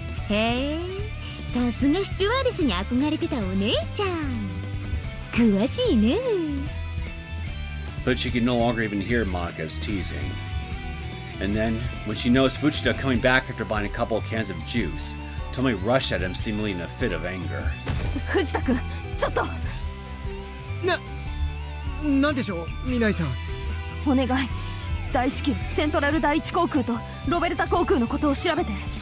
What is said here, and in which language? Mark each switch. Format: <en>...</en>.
<ja>へえ、さすがスチュワーデスに憧れてたお姉ちゃん。詳しいね。</ja> <en>But she could no longer even hear Monica's teasing. And then, when she noticed Fuchida coming back after buying a couple of cans of juice, Tomoe rushed at him seemingly in a fit of anger.</en> <ja>フジタ君、ちょっと。何でしょう、ミナイさん。お願い、大至急セントラル第一航空とロベルタ航空のことを調べて。</ja>